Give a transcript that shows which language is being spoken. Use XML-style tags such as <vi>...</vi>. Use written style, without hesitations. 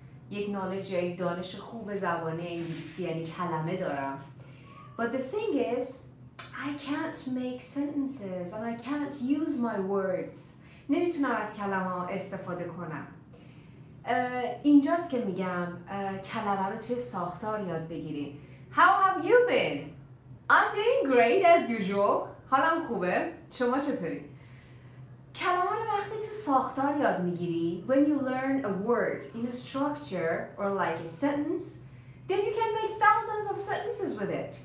<fa>یک نالج یا یک دانش خوب زبانه انگلیسی یعنی کلمه دارم.</fa> <en>But the thing is, I can't make sentences and I can't use my words.</en> <fa>نمیتونم از کلمه استفاده کنم. اینجاست که میگم کلمه رو توی ساختار یاد بگیریم.</fa> <en>How have you been? I'm doing great as usual.</en> <fa>حالم خوبه. شما چطوری؟ کلمه رو وقتی تو ساختار یاد میگیری</fa> <en>when you learn a word in a structure or like a sentence then you can make thousands of sentences with it.</en>